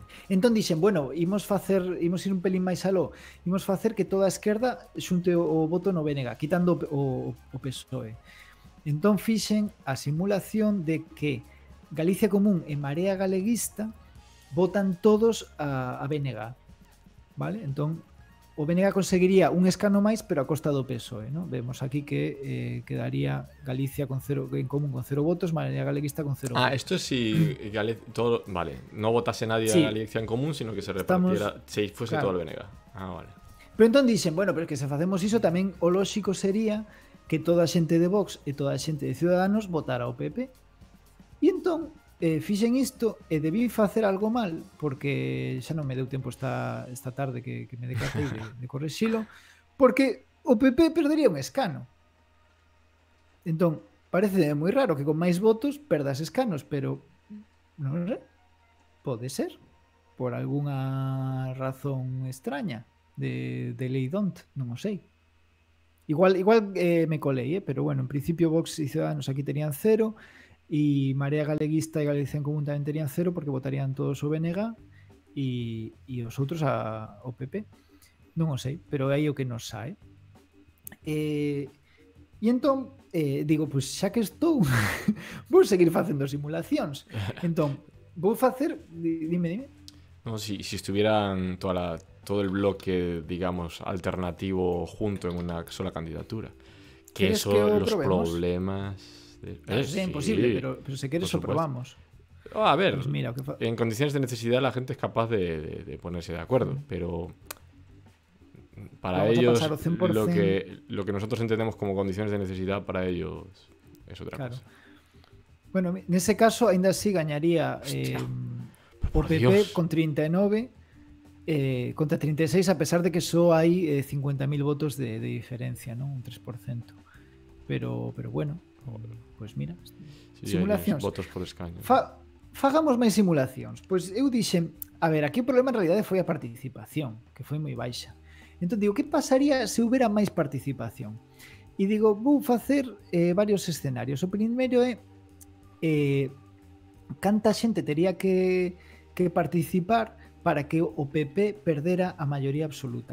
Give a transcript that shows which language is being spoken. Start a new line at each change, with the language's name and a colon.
Galician: Entón dixen, bueno, imos ir un pelín máis aló, imos facer que toda a esquerda xunte o voto no BNG, quitando o PSOE. Entón fixen a simulación de que Galicia Común e Marea Galeguista votan todos a BNG, vale? Entón o BNG conseguiría un escano máis, pero a costa do PSOE, ¿no? Vemos aquí que quedaría Galicia con cero, en común con cero votos, Marea Galeguista con cero votos.
Spanish: Ah, esto es si todo, vale, no votase nadie a Galicia en Común, sino que se repartiera, se fuese claro, todo al BNG. Ah, vale.
Galician: Pero entón dicen, bueno,
Spanish: pero es que
Galician: se facemos iso, tamén o lógico sería que toda a xente de Vox e toda a xente de Ciudadanos votara o PP. Y entón fixen isto e debí facer algo mal, porque xa non me deu tempo esta tarde que me decatei de correxilo, porque o PP perdería un escano. Entón, parece moi raro que con máis votos perdas escanos, pero non sei, pode ser por algunha razón extraña de Lei Dont, non o sei. Igual me colei,
Spanish: pero bueno, en principio Vox e Ciudadanos aquí tenían cero, y Marea Galeguista y Galicia en Común también tenían cero porque votarían todos o BNG y
Galician: os outros a o PP. Non o sei, pero é o que nos sae. Y entón, digo, pues xa que estou, vou seguir facendo simulacións. Entón, vou facer, dime.
Spanish: No, si estuvieran todo el bloque, digamos, alternativo junto en una sola candidatura. Que eso, que los problemas... Es imposible, sí, pero si quieres lo probamos. A ver, pues mira, en condiciones de necesidad la gente es capaz de ponerse de acuerdo, pero para ellos lo que nosotros entendemos como condiciones de necesidad para ellos es otra cosa.
Galician: Bueno,
Spanish: en ese caso
Galician: ainda así gañaría por PP con 39 contra 36, a pesar de que só hai 50.000 votos de diferencia, ¿no?
Spanish: Un 3%. Pero bueno, pues mira, sí, simulacións, votos por escaño.
Galician: Fagamos máis simulacións. Pois eu dixen, a ver, aquí o problema en realidade foi a participación, que foi moi baixa. Entón digo, que pasaría se houbera máis participación? E digo, vou facer varios escenarios. O primeiro é canta xente tería que participar para que o PP perdera a maioría absoluta.